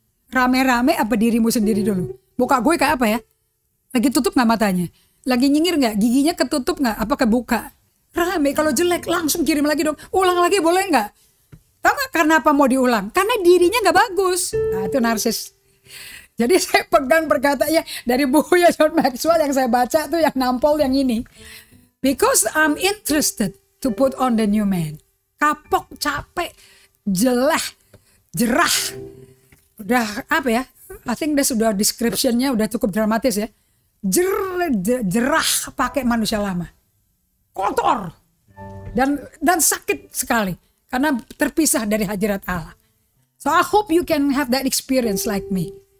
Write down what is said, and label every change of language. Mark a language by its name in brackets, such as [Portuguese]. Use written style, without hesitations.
[Indonesian] Rame-rame apa dirimu sendiri dulu? Muka gue kayak apa ya? Lagi tutup gak matanya? Lagi nyengir gak? Giginya ketutup gak? Apa kebuka? Rame, kalau jelek langsung kirim lagi dong. Ulang lagi boleh gak? Tahu gak kenapa mau diulang? Karena dirinya gak bagus. Nah itu narsis. Jadi saya pegang perkataannya dari bukunya John Maxwell yang saya baca tuh, yang nampol yang ini. [English] Because I'm interested to put on the new man. [Indonesian] Kapok, capek, jelek, jerah. Udah apa ya? [English] I think this [Indonesian] udah description-nya udah cukup dramatis ya. Jerah pakai manusia lama. Kotor. Dan sakit sekali. Karena terpisah dari hadirat Allah. [English] So I hope you can have that experience like me.